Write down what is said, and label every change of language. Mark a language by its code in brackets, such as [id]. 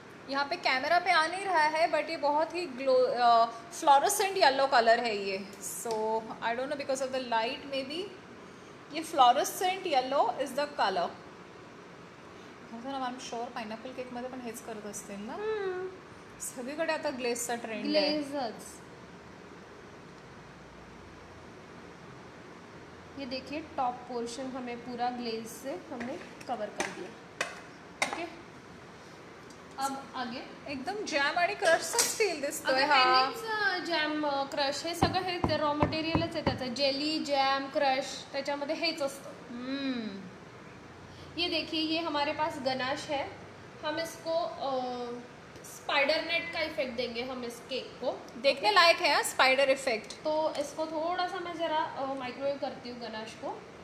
[hi] यहाँ पे कैमरा पे आ नहीं रहा है बट ये बहुत ही ग्लो फ्लोरोसेंट येलो कलर है ये। [en] So I don't know because of the light maybe ये fluorescent yellow is the colour. I am sure pineapple cake [mr] मध्ये पण हेच करत असतील ना। सगळीकडे आता ग्लेजचा ट्रेंड आहे, [en] Glazers. [hi] ये देखिए, टॉप पोर्शन हमें पूरा ग्लेज से हमने कवर कर दिया। अब आगे [mr] एकदम जैम आणि क्रश असतील दिसतोय। हा जैम क्रश हे सगळं हे रॉ मटेरियलच आहे, त्याचं जेली जैम क्रश त्याच्यामध्ये हेच असतं। [hi] ये देखिए, ये हमारे पास गनाश है, हम इसको स्पाइडर नेट का इफेक्ट देंगे हम इस केक को, देखने लायक है स्पाइडर इफेक्ट। तो इसको थोड़ा सा मैं जरा माइक्रोवेव करती हूँ गनाश को।